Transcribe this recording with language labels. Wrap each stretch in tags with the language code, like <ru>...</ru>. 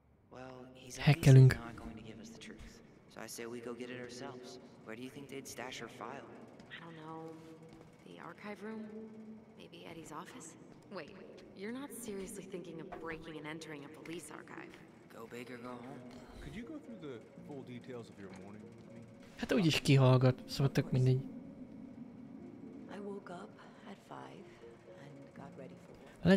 <en>Well, he's obviously not going to give us the truth. So I say we go get it ourselves. Where do you think they'd stash her file? I don't know. The archive room? Maybe Eddie's office? Wait, you're not seriously thinking of breaking and entering a police archive. Go big or go home. Could you go through the full details of your morning with me?</en> <hu>Hát úgyis kihallgat, szóval tök mindegy.</hu> <en>I woke up at 5 and got ready for work.</en>